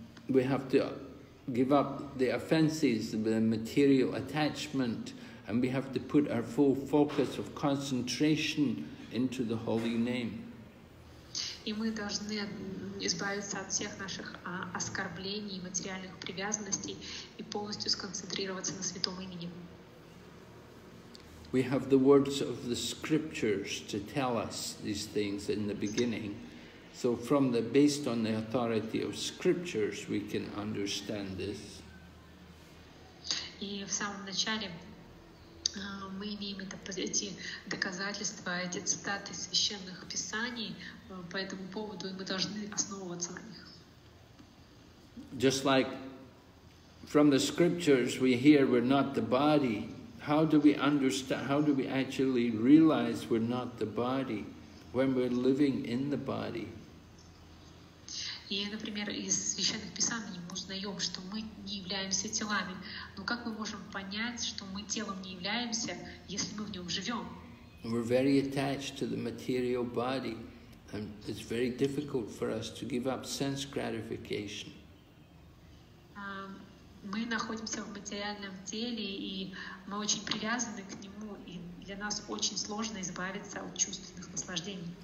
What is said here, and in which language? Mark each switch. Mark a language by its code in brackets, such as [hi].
[en] We have to give up the offenses, the material attachment, and we have to put our full focus of concentration into the holy name. [ru] И мы должны избавиться от всех наших оскорблений и материальных привязанностей и полностью сконцентрироваться на святом имени. [en] We have the words of the scriptures to tell us these things in the beginning. So from the based on the authority of scriptures we can understand this. [ru] И в самом начале мы имеем эти доказательства, эти цитаты священных писаний по этому поводу, и мы должны основываться на них. [en] Just like from the scriptures we hear we're not the body. How do we understand, how do we actually realize we're not the body when we're living in the body? [ru] И, например, из священных писаний мы узнаем, что мы не являемся телами. Но как мы можем понять, что мы телом не являемся, если мы в нем живем? [en] We're very attached to the material body, and it's very difficult for us to give up sense gratification. [ru] Мы находимся в материальном теле, и мы очень привязаны к нему, и для нас очень сложно избавиться от чувственных наслаждений.